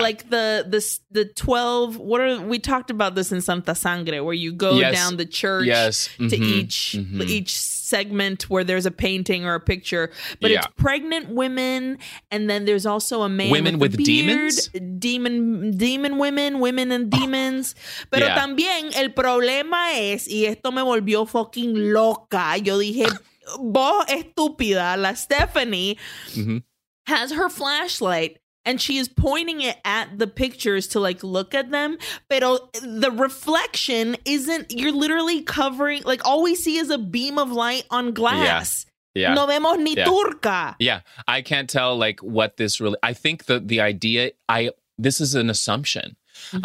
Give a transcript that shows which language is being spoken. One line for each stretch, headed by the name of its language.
English: Like the 12... We talked about this in Santa Sangre, where you go down the church to each segment where there's a painting or a picture. But it's pregnant women, and then there's also a man women with a beard. Demons? Demon women, women and demons.
Spanish: Pero también el problema es, y esto me volvió fucking loca, yo dije, vos estúpida, la Stephanie... Mm-hmm.
English: Has her flashlight and she is pointing it at the pictures to like look at them. But the reflection isn't, you're literally covering, like all we see is a beam of light on glass. Yeah.
Spanish: No vemos ni turca.
English: Yeah. I can't tell like what this really, I think the idea, this is an assumption. Mm-hmm.